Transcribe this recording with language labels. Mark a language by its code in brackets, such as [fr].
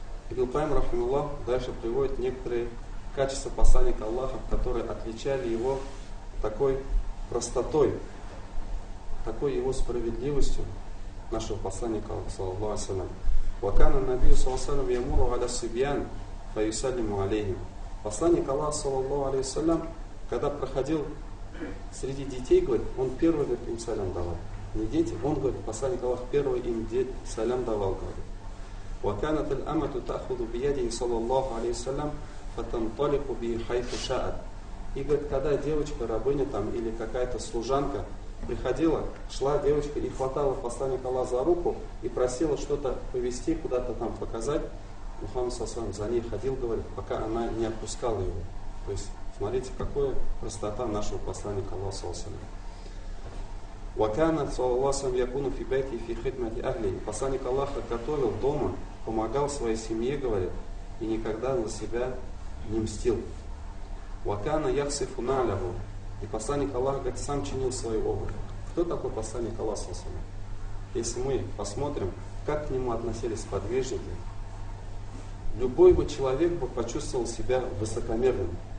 [ru] Ибн Кайм рахималлах дальше приводит некоторые качества посланника Аллаха, которые отличали его такой простотой, такой его справедливостью, нашего посланника саллаллаху алейхи ва саллям. [ar] Ямуру аля сибьян фа юсаллиму алейхим. [ru] Посланник Аллаха саллаллаху алейхи ва саллям, когда проходил среди детей, говорит, он первый, говорит, им салям давал. Не дети, он, говорит, посланник Аллаха первый им салям давал, говорит. [ar] وكانت الأمة تأخذ بيده صلى الله عليه وسلم فتنطلق به حيث شاءت. [ru] И говорит, когда девочка, рабыня там или какая-то служанка приходила, шла девочка и хватала посланника Аллаха за руку и просила что-то повезти, куда-то там показать, Мухаммад саллаллаху алейхи ва саллям за ней ходил, говорит, пока она не отпускала его. То есть смотрите, какая простота нашего посланника Аллаха саллаллаху алейхи ва саллям. [ar] وكان صلى الله عليه وسلم يكون في بيته في خدمه اهله. [ru] Посланник Аллаха готовил дома, помогал своей семье, говорит, и никогда за себя не мстил. [ar] وكان يغسل نعله. [ru] И посланник Аллаха, говорит, сам чинил свою обувь. Кто такой посланник Аллаха саллаллаху алейхи ва саллям? Если мы посмотрим, как к нему относились подвижники, любой бы человек бы почувствовал себя высокомерным.